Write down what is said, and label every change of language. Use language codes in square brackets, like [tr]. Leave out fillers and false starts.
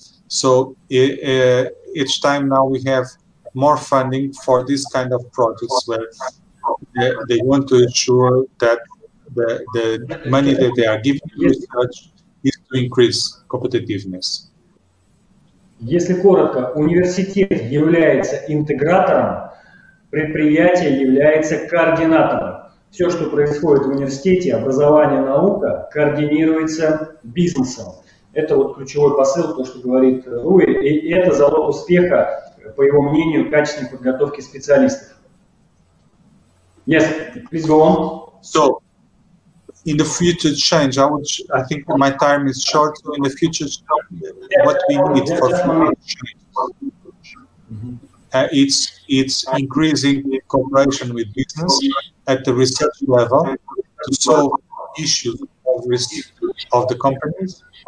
[en] So each time now we have more funding for this kind of projects where they want to ensure that the money that they are giving to research is to increase competitiveness. [ru] Если коротко, университет является интегратором, предприятие является координатором. Все, что происходит в университете, образование, наука, координируется бизнесом. Это вот ключевой посыл, то, что говорит Руи, и это залог успеха, по его мнению, качественной подготовки специалистов. [en] Yes, please go on. So, in the future change, I think my time is short. In the future change, what we need for future change? It's increasing cooperation with business at the research level to solve issues of risk of the companies.